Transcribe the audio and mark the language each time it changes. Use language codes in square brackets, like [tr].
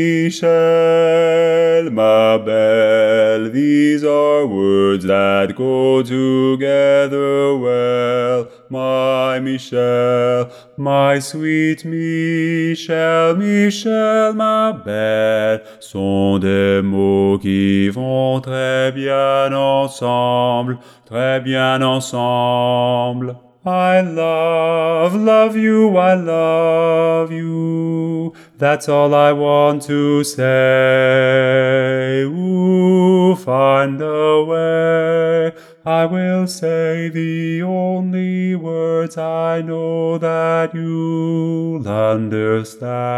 [en] Michel, Mabel, these are words that go together well. My Michel, my sweet Michel, [fr] Michel, Mabel, sont des mots qui vont très bien ensemble, très bien ensemble. [en] I love, love you, I love you. That's all I want to say. Ooh, find a way. I will say the only words I know that you'll understand.